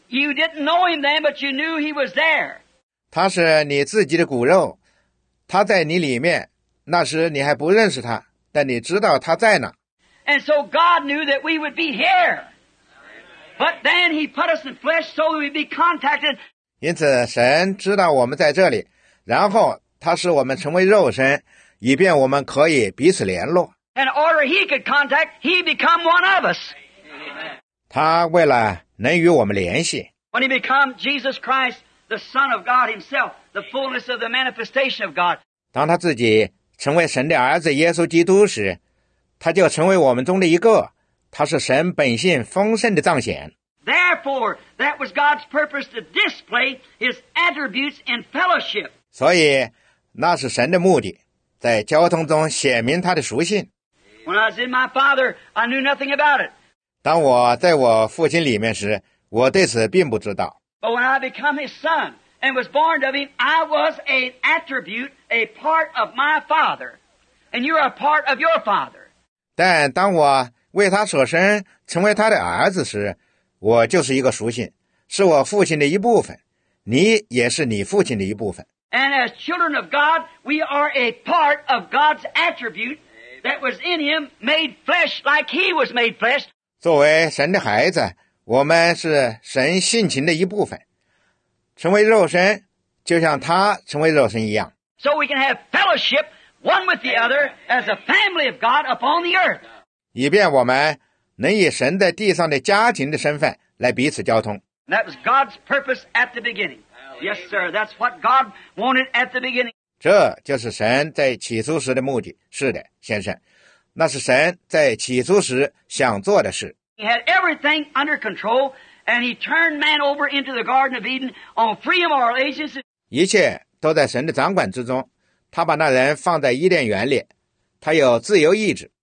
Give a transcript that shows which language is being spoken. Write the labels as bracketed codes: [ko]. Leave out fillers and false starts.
[en] You didn't know him then, but you knew he was there. [zh] 他是你自己的骨肉，他在你里面，那时你还不认识他，但你知道他在哪。 [en] And so God knew that we would be here. But then he put us in flesh so we'd be contacted. [zh] 因此神知道我们在这里，然后他使我们成为肉身，以便我们可以彼此联络。 [en] And order he could contact, he become one of us. [zh] 他为了能与我们联系。 [en] When he become Jesus Christ, the Son of God himself, the fullness of the manifestation of God. [zh] 当他自己成为神的儿子耶稣基督时，他就成为我们中的一个，他是神本性丰盛的彰显。 [en] Therefore, that was God's purpose to display his attributes in fellowship. [zh] 所以那是神的目的，在交通中显明他的属性。 [en] When I was in my father, I knew nothing about it. [zh] 当我在我父亲里面时，我对此并不知道。 [en] But when I became his son and was born of him, I was an attribute, a part of my father. And you're a part of your father. [zh] 但当我为他舍身成为他的儿子时，我就是一个属性，是我父亲的一部分，你也是你父亲的一部分。 [en] And as children of God, we are a part of God's attribute that was in him made flesh like he was made flesh. [zh] 作为神的孩子，我们是神性情的一部分，成为肉身，就像他成为肉身一样。 [en] So we can have fellowship one with the other as a family of God upon the earth. [zh] 以便我们能以神在地上的家庭的身份来彼此交通。 [en] That was God's purpose at the beginning. Yes, sir. That's what God wanted at the beginning. [zh] 这就是神在起初时的目的。是的，先生，那是神在起初时想做的事。 [en] He had everything under control, and he turned man over into the Garden of Eden on free moral agency. [zh] 一切都在神的掌管之中。他把那人放在伊甸园里，他有自由意志。